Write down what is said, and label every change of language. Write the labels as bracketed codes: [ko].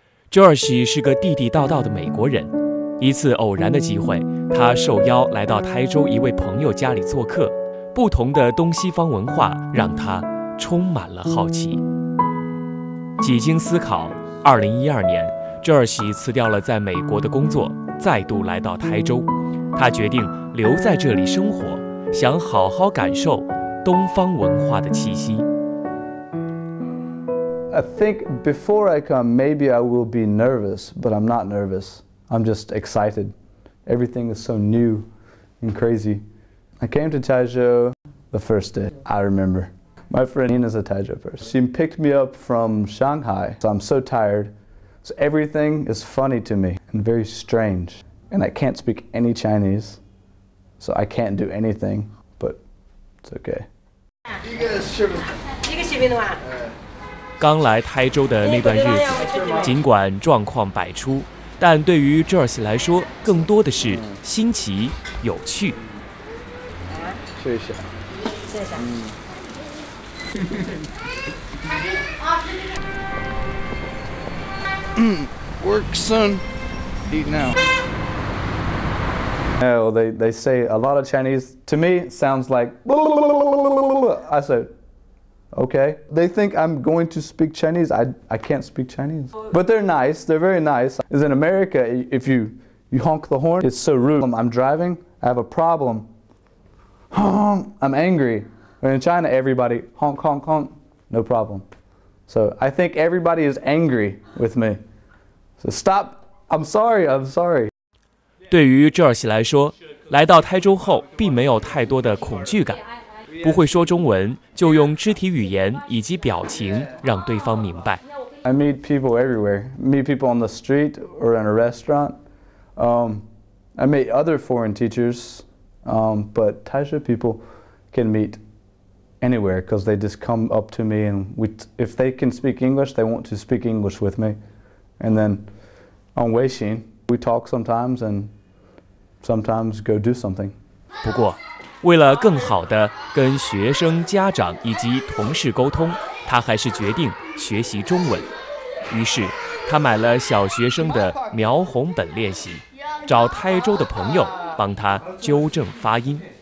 [zh] Josh 是个地地道道的美国人。一次偶然的机会，他受邀来到台州一位朋友家里做客，不同的东西方文化让他充满了好奇。几经思考，2012年，朱尔西辞掉了在美国的工作，再度来到台州。他决定留在这里生活，想好好感受东方文化的气息。 [en] I think before I come, maybe I will be nervous, but I'm not nervous. I'm just excited. Everything is so new and crazy. I came to Taizhou the first day, I remember. My friend Nina is a Taizhou person. She picked me up from Shanghai, so I'm so tired. So everything is funny to me and very strange. And I can't speak any Chinese, so I can't do anything, but it's okay. [zh] 刚来台州的那段日子，尽管状况百出，但对于 Josh 来说，更多的是新奇、有趣。试一下， [en] Work, son. Eat now. No, they say a lot of Chinese to me sounds like. I said. Okay. They think I'm going to speak Chinese. I can't speak Chinese. But they're nice. They're very nice. As in America, if you honk the horn, it's so rude. I'm driving. I have a problem. I'm angry. But in China, everybody honk, honk, honk. No problem. So I think everybody is angry with me. So stop. I'm sorry. [zh] 对于 Josh 来说，来到台州后并没有太多的恐惧感。不会说中文，就用肢体语言以及表情让对方明白。 [en] I meet people everywhere. Meet people on the street or in a restaurant. I meet other foreign teachers, but Taizhou people can meet anywhere because they just come up to me and if they can speak English, they want to speak English with me. And then on Weixin, we talk sometimes and sometimes go do something. [zh] 不过，为了更好地跟学生、家长以及同事沟通，他还是决定学习中文。于是，他买了小学生的描红本练习，找台州的朋友帮他纠正发音。